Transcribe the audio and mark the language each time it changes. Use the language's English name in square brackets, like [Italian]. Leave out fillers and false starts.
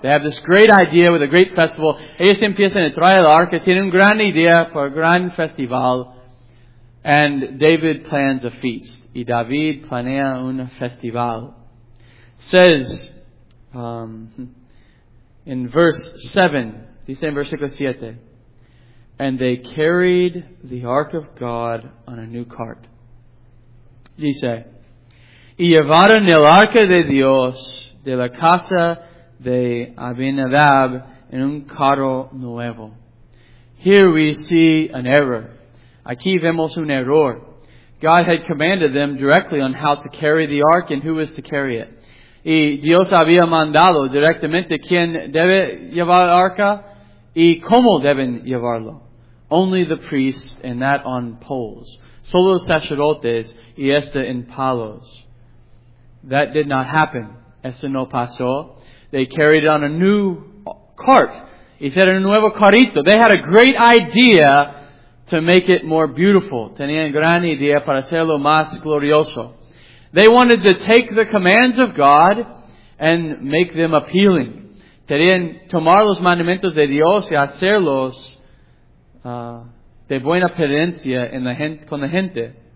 [English] They have this great idea with a great festival. [Spanish] Ellos empiezan a traer el arca, tienen una gran idea para un gran festival. [English] And David plans a feast. [Spanish] Y David planea un festival. [English] Says, in verse 7, [Spanish] dice en versículo 7, [English] and they carried the ark of God on a new cart. [Spanish] Dice, y llevaron el arca de Dios de la casa de Abinadab en un carro nuevo. [English] Here we see an error. [Spanish] Aquí vemos un error. [English] God had commanded them directly on how to carry the ark and who was to carry it. [Spanish] Y Dios había mandado directamente quién debe llevar el arca y cómo deben llevarlo. [English] Only the priests, and that on poles. [Spanish] Solo los sacerdotes y esta en palos. [English] That did not happen. [Spanish] Eso no pasó. [English] They carried it on a new cart. [Spanish] Hicieron un nuevo carrito. [English] They had a great idea to make it more beautiful. [Spanish] Tenían gran idea para hacerlo más glorioso. [English] They wanted to take the commands of God and make them appealing. [Spanish] Querían tomar los mandamientos de Dios y hacerlos de buena apariencia en la gente, con la gente.